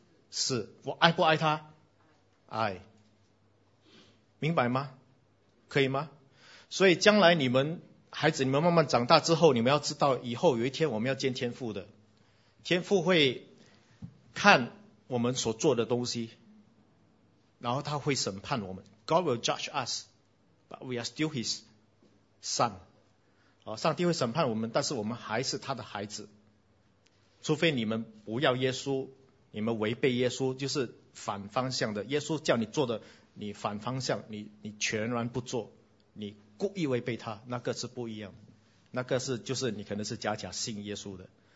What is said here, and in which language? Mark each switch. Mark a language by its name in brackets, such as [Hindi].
[Chinese] 是。我爱不爱他？爱。明白吗？可以吗？所以将来你们孩子，你们慢慢长大之后，你们要知道以后有一天我们要见天父的，天父会看我们所做的东西，然后他会审判我们。 [English] God will judge us but we are still his son。 [Chinese] 上帝会审判我们，但是我们还是他的孩子，除非你们不要耶稣，你们违背耶稣，就是反方向的，耶稣叫你做的你反方向，你全然不做，你故意违背他，那个是不一样的，那个是就是你可能是假假信耶稣的。